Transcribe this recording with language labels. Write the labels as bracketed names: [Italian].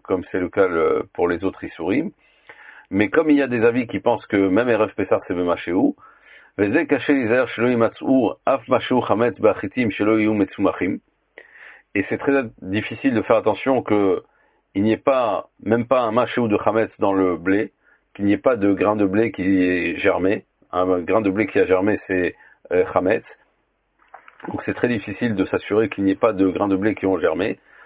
[French] c'est le cas pour les autres issurim. Mais comme il y a des avis qui pensent que même Erev Pessah c'est Bemachéou, [Hebrew] וזה קשה להיזהר שלא ימצאו אף משהו חמץ בחיטים שלא יהיו מצומחים. [French] Et c'est très difficile de faire attention qu'il n'y ait pas, même pas un machou de chametz dans le blé, qu'il n'y ait pas de grain de blé qui est germé. Un grain de blé qui a germé, c'est chametz. Donc c'est très difficile de s'assurer qu'il n'y ait pas de grains de blé qui ont germé.